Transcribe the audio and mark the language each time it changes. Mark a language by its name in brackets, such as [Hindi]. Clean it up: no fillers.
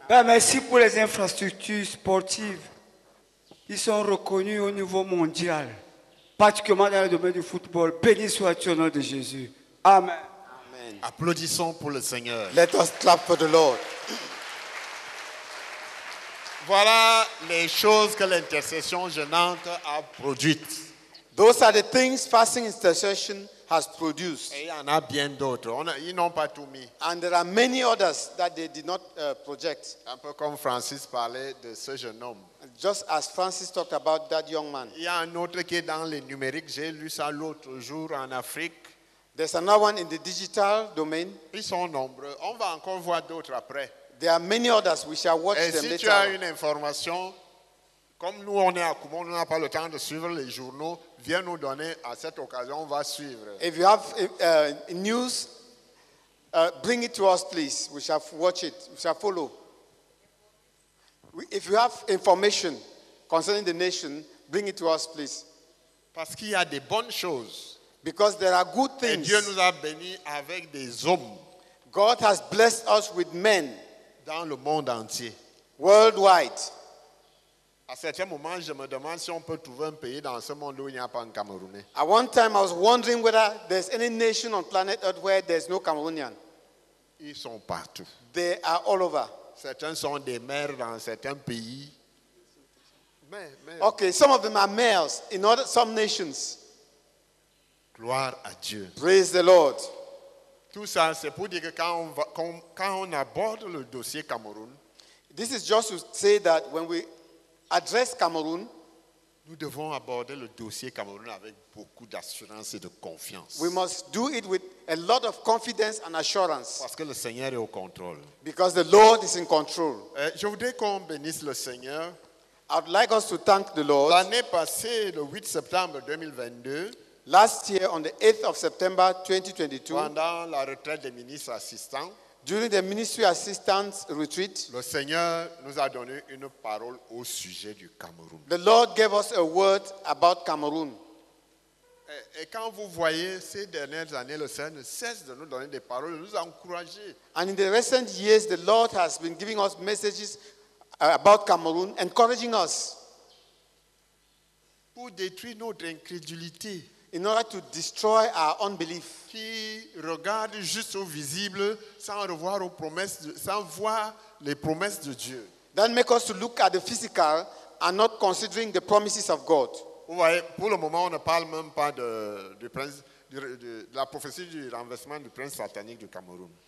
[French] Ben, merci pour les infrastructures sportives qui sont reconnues au niveau mondial, particulièrement dans le domaine du football. Béni sois-tu au nom de Jésus. Amen. Amen. Applaudissons pour le Seigneur. [English] Let us clap for the Lord. [French] Voilà les choses que l'intercession gênante a produites. [English] Those are the things fasting intercession has produced. [French] Et il y en a bien d'autres. Ils n'ont pas tout mis. [English] And there are many others that they did not project. [French] Un peu comme Francis parlait de ce jeune homme. [English] Just as Francis talked about that young man. [French] Il y a un autre qui est dans le numérique. J'ai lu ça l'autre jour en Afrique. [English] There's another one in the digital domain. [French] Ils sont nombreux. On va encore voir d'autres après. [English] There are many others. We shall watch [French] et [English] them [French] si [English] later. [French] Et si tu as une information, comme nous on est à Kumon, nous n'avons pas le temps de suivre les journaux, viens nous donner à cette occasion, on va suivre. [English] If you have news, bring it to us, please. We shall watch it. We shall follow. If you have information concerning the nation, bring it to us, please. [French] Parce qu'il y a des bonnes choses. [English] Because there are good things. [French] Et Dieu nous a bénis avec des hommes. [English] God has blessed us with men. [French] Dans le monde entier. [English] Worldwide. [French] À certains moments, je me demande si on peut trouver un pays dans ce monde où il n'y a pas un Camerounais. [English] At one time, I was wondering whether there's any nation on planet Earth where there's no Cameroonian. [French] Ils sont partout. [English] They are all over. [French] Certains sont des mères dans certains pays. Mais. [English] Okay, some of them are males in other, some nations. [French] Gloire à Dieu. [English] Praise the Lord. [French] Tout ça, c'est pour dire que quand on aborde le dossier Cameroun, [English] this is just to say that when we address Cameroon, [French] nous devons aborder le dossier Cameroun avec beaucoup d'assurance et de confiance. [English] We must do it with a lot of confidence and assurance. [French] Parce que le Seigneur est au contrôle. [English] Because the Lord is in control. [French] Je voudrais qu'on bénisse le Seigneur. [English] I'd like us to thank the Lord. [French] L'année passée, le 8 septembre 2022, [English] last year, on the 8th of September 2022, [French] pendant la retraite des ministres assistants, [English] during the ministry assistants retreat, [French] le Seigneur nous a donné une parole au sujet du Cameroun. [English] The Lord gave us a word about Cameroon. [French] Et quand vous voyez ces dernières années, le Seigneur ne cesse de nous donner des paroles, de nous encourager. [English] And in the recent years, the Lord has been giving us messages about Cameroon, encouraging us. [French] Pour détruire notre incrédulité. [English] In order to destroy our unbelief. [French] Qui regarde juste au visible sans revoir aux promesses, sans voir les promesses de Dieu. [English] That make us to look at the physical and not considering the promises of God. [French] Vous voyez, pour le moment, on ne parle même pas de la prophétie du renversement du prince satanique du Cameroun.